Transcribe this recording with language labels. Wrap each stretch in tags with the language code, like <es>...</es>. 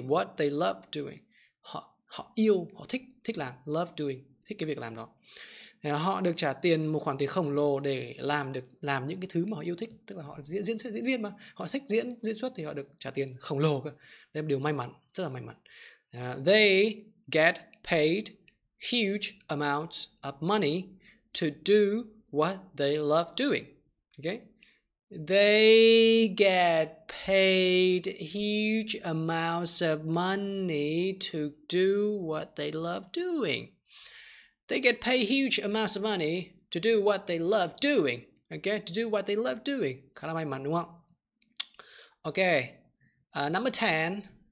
<en>What they love doing,</en> <vi>họ yêu, họ thích làm. Love doing, thích cái việc làm đó. Họ được trả tiền một khoản tiền khổng lồ để làm những cái thứ mà họ yêu thích, tức là họ diễn viên mà họ thích diễn xuất thì họ được trả tiền khổng lồ cơ. Đây là điều may mắn, rất là may mắn.</vi> <en>They get paid huge amounts of money to do what they love doing. Okay? They get paid huge amounts of money to do what they love doing. They get paid huge amounts of money to do what they love doing. Okay, to do what they love doing.</en> <vi>Khá là may mắn, đúng không? Okay, number 10.</vi>